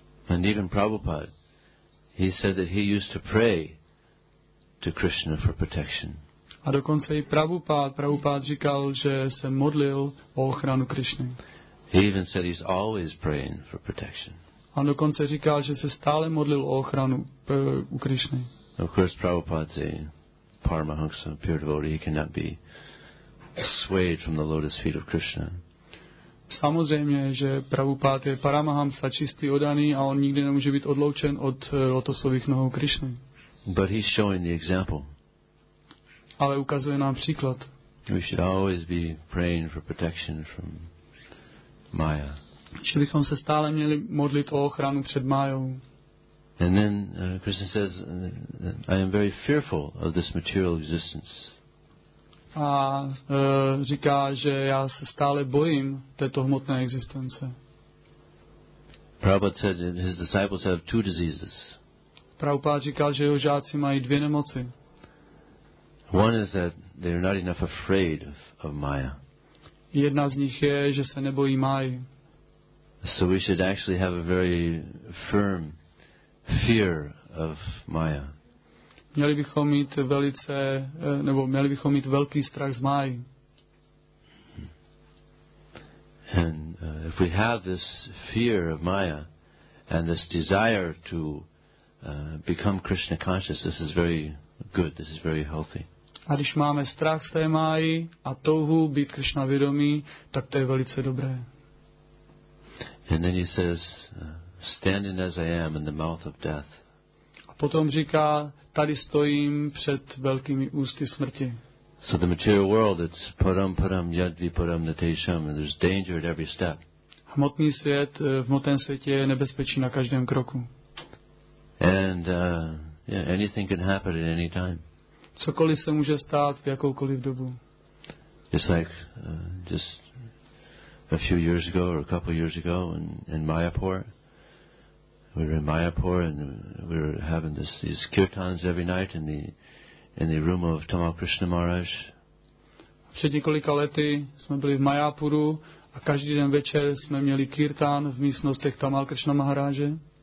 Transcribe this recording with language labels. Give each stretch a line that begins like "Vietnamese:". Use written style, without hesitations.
English: And even Prabhupada, he said that he used to pray to Krishna for protection.
Czech: A dokonce i Prabhupád říkal, že se modlil o ochranu Krišny.
English: He even said he's always praying for protection.
Czech: A dokonce říkal, že se stále modlil o ochranu u Krišny.
English: Of course, Prabhupada's a Paramahansa, pure devotee, he cannot be swayed from the lotus feet of Krishna.
Czech: Samozřejmě, že Prabhupád je Paramahansa, čistý oddaný, a on nikdy nemůže být odloučen od lotosových nohou Krišny.
English: But he's showing the example.
Czech: Ale ukazuje nám příklad.
English: We should always be praying for protection from Maya.
Czech: Že bychom se stále měli modlit o ochranu před Mayou.
English: And then Krishna says, I am very fearful of this material existence.
Czech: A říká, že já se stále bojím této hmotné existence.
English: Prabhupada said that his disciples have two diseases.
Czech: Prabhupada říkal, že jeho žáci mají dvě nemoci.
English: One is that they are not enough afraid of Maya.
Czech: Jedna z nich je, že se nebojí Máji.
English: So we should actually have a very firm fear of Maya.
Czech: Měli bychom mít velký strach z Máji.
English: And if we have this fear of Maya and this desire to become Krishna conscious, this is very good, this is very healthy.
Czech: A když máme strach z té Máji a touhu být Krishna vědomí, tak to je velice dobré.
English: And then he says, standing as I am in the mouth of death.
Czech: A potom říká, tady stojím před velkými ústy smrti.
English: So the material world, it's
Sanskrit: param param yadvi param natesham,
English: and there's danger at every step.
Czech: Hmotný svět, v hmotném světě je nebezpečí na každém kroku.
English: And anything can happen at any time.
Czech: Cokoliv se může stát v jakoukoliv dobu.
English: Just like just a few years ago or a couple years ago in Mayapur. We were in Mayapur and we were having these kirtans every night in the room of Tamal Krishna Maharaj.
Czech: Před několika lety jsme byli v Mayapuru a každý den večer jsme měli kirtan v místnostech Tamal Krishna Maharaje.